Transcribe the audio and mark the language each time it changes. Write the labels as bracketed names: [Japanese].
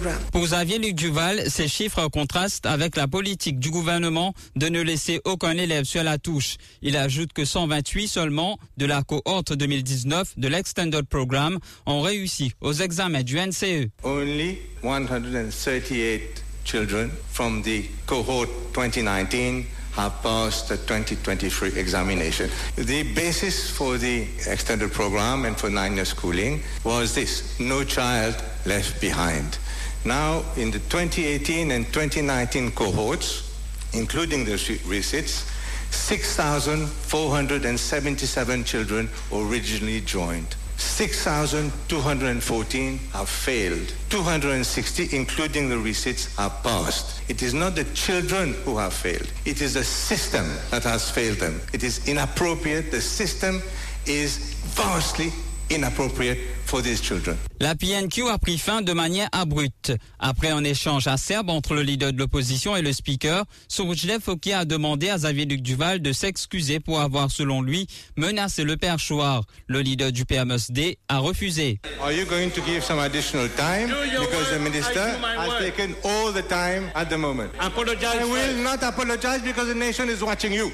[French] Pour Xavier-Luc Duval, ces chiffres contrastent avec la politique du gouvernement de ne laisser aucun élève sur la touche. Il ajoute que 128 seulement de la cohorte 2019 de l'Extended Programme ont réussi aux examens du NCE. [English] Only 138 children from the cohort 2019 have passed the 2023 examination. The basis for the Extended Programme and for 9-year schooling was this: no child left behind. Now, in the 2018 and 2019 cohorts, including the receipts, 6,477 children originally joined. 6,214 have failed. 260, including the receipts, have passed. It is not the children who have failed. It is the system that has failed them. It is inappropriate. The system is vastly inappropriate for these children. [French] La PNQ a pris fin de manière abrupte. Après un échange acerbe entre le leader de l'opposition et le speaker, Sourjlev Fokir a demandé à Xavier-Luc Duval de s'excuser pour avoir, selon lui, menacé le perchoir. Le leader du PMSD a refusé. [English] Are you going to give some additional time? Because the minister has taken all the time at the moment. Apologize. I will not apologize because the nation is watching you.